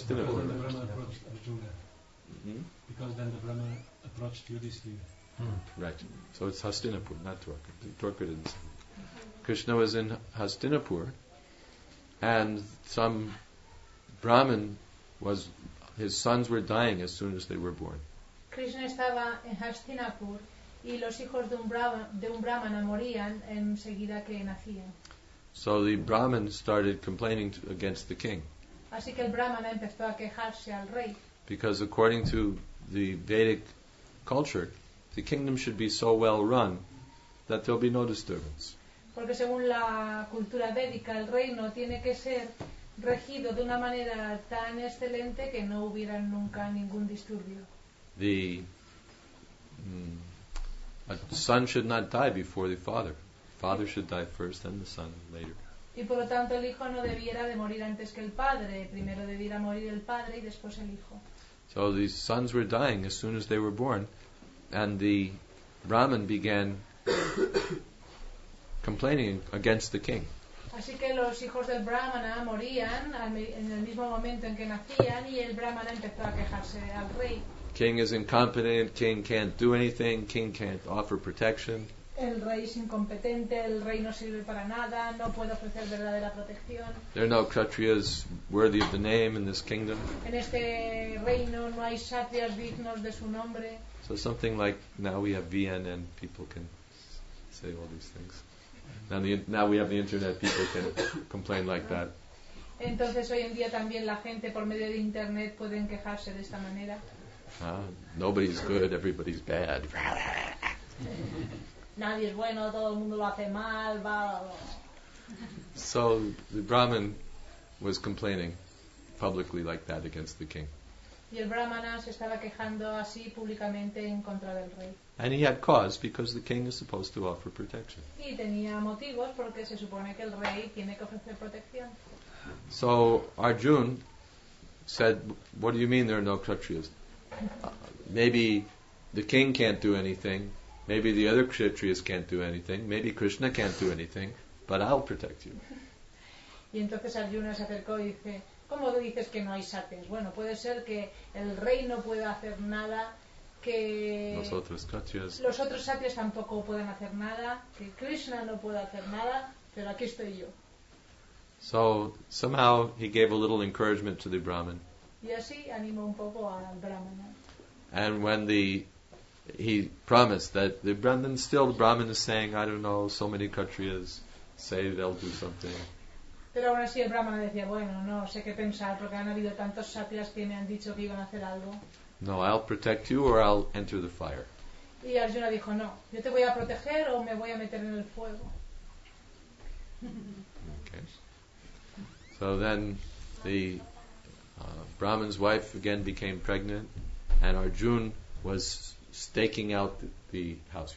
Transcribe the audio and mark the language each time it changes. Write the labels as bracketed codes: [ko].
[en] Because then the Brahmin approached Arjuna. Mm-hmm. Because then the Brahmin approached Yudhisthira. Hmm. Right. So it's Hastinapur, not Dwarka. Dwarka didn't say. Krishna was in Hastinapur, and some Brahmin was. His sons were dying as soon as they were born. [es] Krishna estaba en Hastinapur y los hijos de un Brahmana morían enseguida que nacían. [en] So the Brahmin started complaining against the king. [es] Así que el Brahmana empezó a quejarse al rey. [en] Because according to the Vedic culture, the kingdom should be so well run that there'll be no disturbance. [es] Porque según la cultura védica, el reino tiene que ser regido de una manera tan excelente que no hubiera nunca ningún disturbio. [en] A son should not die before the father. Father should die first, then the son later. [es] Y por lo tanto el hijo no debiera de morir antes que el padre. Primero debiera morir el padre y después el hijo. [en] So these sons were dying as soon as they were born, and the Brahman began complaining against the king. [es] Así que los hijos del Brahmana morían en el mismo momento en que nacían, y el Brahmana empezó a quejarse al rey. [en] King is incompetent, king can't do anything, king can't offer protection. [es] El rey es incompetente, el rey no sirve para nada, no puede ofrecer verdadera protección. [en] There are no kshatriyas worthy of the name in this kingdom. [es] En este reino no hay kshatriyas dignos de su nombre. [en] So something like, now we have VNN, people can say all these things. Now we have the internet, people can complain like that. [es] Entonces hoy en día también la gente por medio de internet pueden quejarse de esta manera. [en] Nobody's good, everybody's bad. [es] Nadie es bueno, todo el mundo lo hace mal. [en] So the Brahmin was complaining publicly like that against the king. [es] Y el Brahmana se estaba quejando así públicamente en contra del rey. [en] And he had cause, because the king is supposed to offer protection. [es] Y tenía motivos porque se supone que el rey tiene que ofrecer protección. [en] So Arjun said, "What do you mean there are no kshatriyas? Maybe the king can't do anything. Maybe the other kshatriyas can't do anything. Maybe Krishna can't do anything, but I'll protect you." [es] Y entonces Arjuna se acercó y dice, ¿cómo dices que no hay sátiras? Bueno, puede ser que el rey no pueda hacer nada, que los otros sátiras tampoco pueden hacer nada, que Krishna no pueda hacer nada, pero aquí estoy yo. [en] So somehow he gave a little encouragement to the Brahmin. [es] Y así animó un poco al Brahman. [en] And when he promised that the Brahmin, still the Brahmin is saying, I don't know, so many kshatriyas say they'll do something. [es] Pero aún así el Brahmana decía, bueno, no sé qué pensar, porque han habido tantos sátiras que me han dicho que iban a hacer algo. [en] No, I'll protect you or I'll enter the fire. [es] Y Arjuna dijo, no, yo te voy a proteger o me voy a meter en el fuego. [en] Okay. So then the Brahmin's wife again became pregnant, and Arjuna was staking out the house.